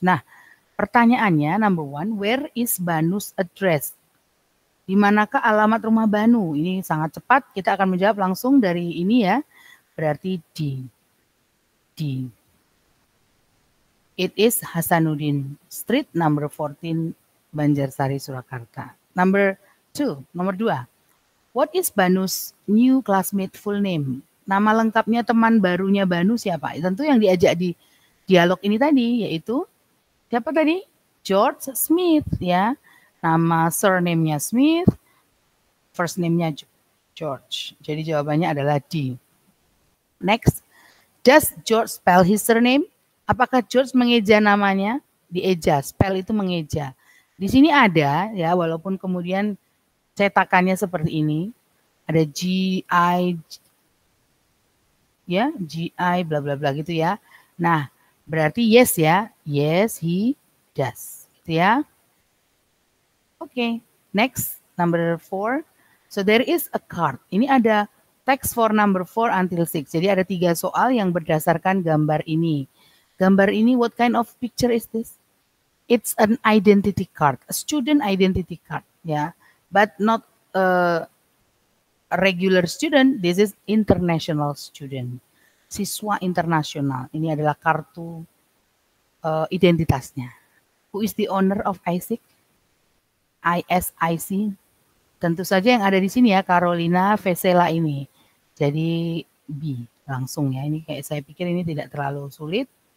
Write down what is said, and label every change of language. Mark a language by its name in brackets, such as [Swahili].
[Indonesian] Nah, pertanyaannya [English] number one, where is Banu's address? [Indonesian] Di manakah alamat rumah Banu? Ini sangat cepat, kita akan menjawab langsung dari ini ya, berarti D. [English] It is Hasanuddin Street, number 14, Banjarsari, Surakarta. [Indonesian] Nomor dua, [English] what is Banu's new classmate full name? [Indonesian] Nama lengkapnya teman barunya Banu siapa? Tentu yang diajak di dialog ini tadi, yaitu siapa tadi? George Smith ya. Nama surname-nya Smith, first name-nya George. Jadi jawabannya adalah D. [English] Next, does George spell his surname? [Indonesian] Apakah George mengeja namanya? Dieja, spell itu mengeja. Di sini ada ya, walaupun kemudian cetakannya seperti ini. Ada G I ya, G I bla bla bla gitu ya. Nah, berarti yes ya. [English] Yes, he does. [Indonesian] Gitu ya. [English] Okay, next number 4. So there is a card. [Indonesian] Ini ada [English] text for number 4 until 6. [Indonesian] Jadi ada 3 soal yang berdasarkan gambar ini. Gambar ini [English] what kind of picture is this? It's an identity card, a student identity card, ya. Yeah. But not a regular student, this is international student. [Indonesian] Siswa internasional. Ini adalah kartu identitasnya. [English] Who is the owner of ISIC? ISIC. [Indonesian] Tentu saja yang ada di sini ya, Carolina Vesela ini. Jadi B langsung ya. Ini kayak saya pikir ini tidak terlalu sulit.